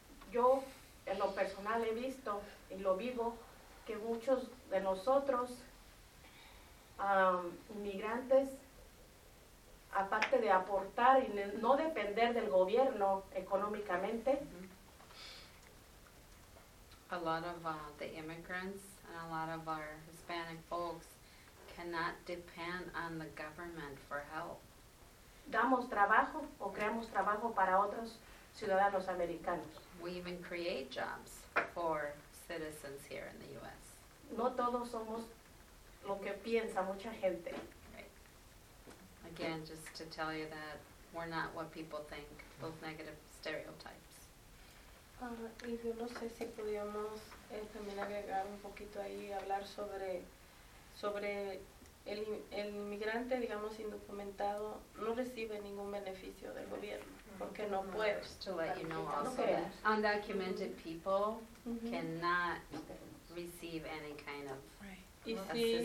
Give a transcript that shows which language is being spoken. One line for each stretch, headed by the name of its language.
Spanish: yo, en lo personal, he visto y lo vivo que muchos de nosotros, inmigrantes, aparte de aportar y no depender del gobierno económicamente,
English: a lot of the immigrants and a lot of our Hispanic folks cannot depend on the government for help.
Spanish: Damos trabajo o creamos trabajo para otros ciudadanos americanos.
English: We even create jobs for citizens here in the U.S.
Spanish: No todos somos lo que piensa mucha gente.
English: Right. Again, just to tell you that we're not what people think, both negative stereotypes.
Spanish: Y yo no sé si pudiéramos también agregar un poquito ahí, hablar sobre el inmigrante, digamos, indocumentado, no recibe ningún beneficio del gobierno, porque no puede.
English: Just to let you know also that undocumented people cannot receive any kind of